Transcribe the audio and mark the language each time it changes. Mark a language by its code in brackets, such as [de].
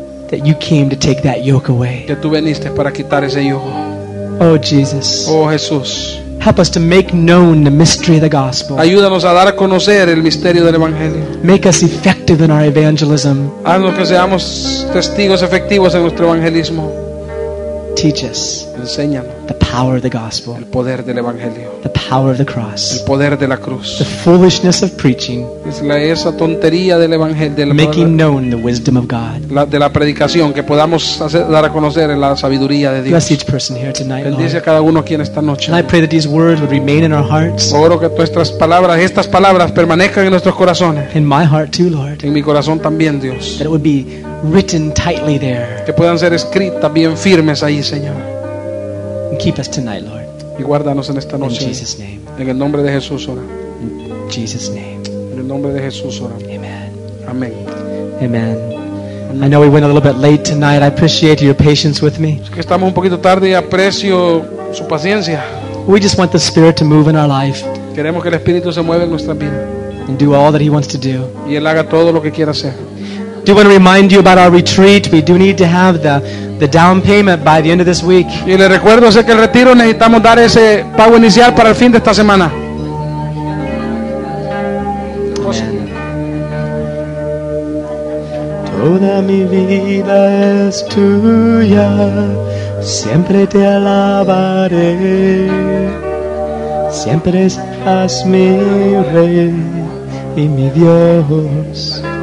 [en] That you came to take that yoke away. [es] Que tú viniste para quitar ese yugo. [en] Oh Jesus. [es] Oh Jesús. [en] Help us to make known the mystery of the gospel. [es] Ayúdanos a dar a conocer el misterio del evangelio. [en] Make us effective in our evangelism. [es] Haznos que seamos testigos efectivos en nuestro evangelismo. [en] Teach us. [es] Enséñanos. [en] The power of the gospel. [es] El poder del evangelio. [en] The power of the cross. [es] El poder de la cruz. [en] The foolishness of preaching. [es] Es la esa tontería del evangelio. Del [en] making known the wisdom of God. [es] La de la predicación que podamos hacer, dar a conocer la sabiduría de Dios. [en] Bless each person here tonight, Lord. [es] Bendice a cada uno aquí en esta noche. [en] And I pray that these words would remain in our hearts. [es] Oro que nuestras palabras, estas palabras, permanezcan en nuestros corazones. [en] In my heart too, Lord. [es] En mi corazón también, Dios. [en] That it would be written tightly there. [es] Que puedan ser escritas bien firmes ahí, Señor. [en] And keep us tonight, Lord. [es] Y guárdanos en esta noche. [en] In Jesus' name. [es] En el nombre de Jesús, ora. [en] In Jesus' name. [es] En el nombre de Jesús, ora. [en] Amen. [es] Amén. [en] Amen. I know we went a little bit late tonight. I appreciate your patience with me. [es] Es que estamos un poquito tarde y aprecio su paciencia. [en] We just want the Spirit to move in our life. [es] Queremos que el Espíritu se mueva en nuestra vida. [en] And do all that He wants to do. [es] Y Él haga todo lo que quiera hacer. [en] Do want to remind you about our retreat. We do need to have the down payment by the end of this week. [es] Y le recuerdo que el retiro necesitamos dar ese pago inicial para el fin de esta semana. [en] Amen. [es] Toda mi vida es tuya, siempre te alabaré, siempre serás mi rey y mi Dios.